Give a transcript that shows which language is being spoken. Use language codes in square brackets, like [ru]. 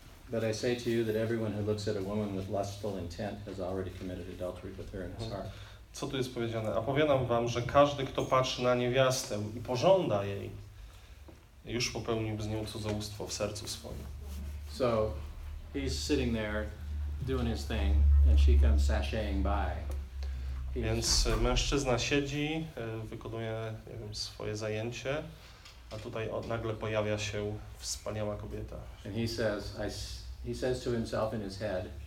[en] But I say to you that everyone who looks at a woman with lustful intent has already committed adultery with her in his heart. [pl] Co tu jest powiedziane? Opowiadam wam, że każdy, kto patrzy na niewiastę i pożąda jej, już popełnił z nią cudzołóstwo w sercu swoim. [en] So he's sitting there doing his thing and she comes sashaying by. [pl] Więc mężczyzna siedzi, wykonuje, nie wiem, swoje zajęcie, a tutaj nagle pojawia się wspaniała kobieta. [en] And he says to himself in his head,